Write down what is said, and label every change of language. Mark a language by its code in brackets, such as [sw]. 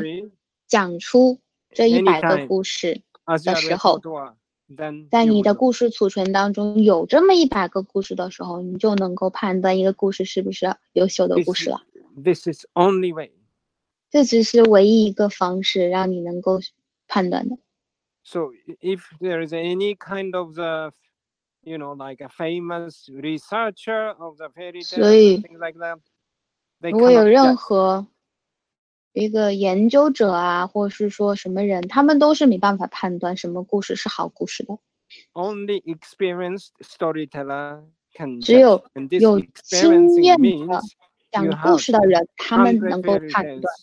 [zh] 随时讲出这一百个故事的时候，在你的故事储存当中有这么一百个故事的时候，你就能够判断一个故事是不是优秀的故事了。 [en] This is only way. [zh] 这只是唯一一个方式让你能够判断的。 [en] So if there is any kind of the, you know, like a famous researcher of the fairy tale, something like that, they come up with that. [zh] 任何一个研究者啊，或是说什么人，他们都是没办法判断什么故事是好故事的。 [en] Only experienced storyteller can. [zh] 只有有经验的讲故事的人，他们能够判断。